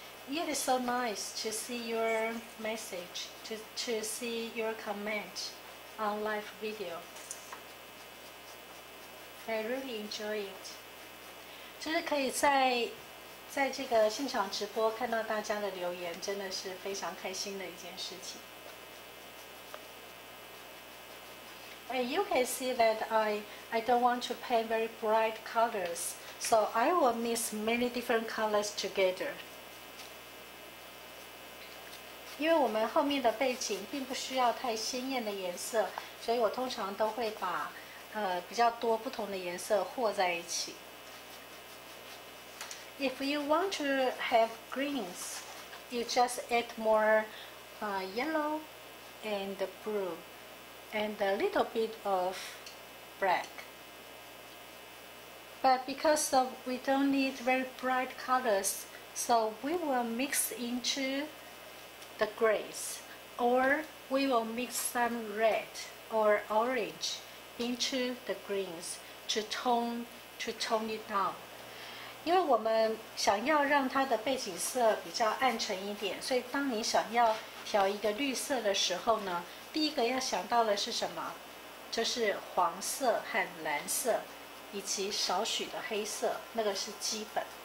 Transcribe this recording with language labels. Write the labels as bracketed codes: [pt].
[en] It is so nice to see your message, to see your comment on live video. I really enjoy it. [zh] 就是可以在这个现场直播看到大家的留言，真的是非常开心的一件事情。 [en] And you can see that I don't want to paint very bright colors, so I will mix many different colors together. [zh] 因为我们后面的背景并不需要太鲜艳的颜色，所以我通常都会把比较多不同的颜色和在一起。 [en] If you want to have greens, you just add more yellow and blue and a little bit of black. But because of we don't need very bright colors, so we will mix intothe grays, or we will mix some red or orange into the greens to tone it down. [zh] 因为我们想要让它的背景色比较暗沉一点，所以当你想要调一个绿色的时候呢，第一个要想到的是什么？就是黄色和蓝色，以及少许的黑色，那个是基本。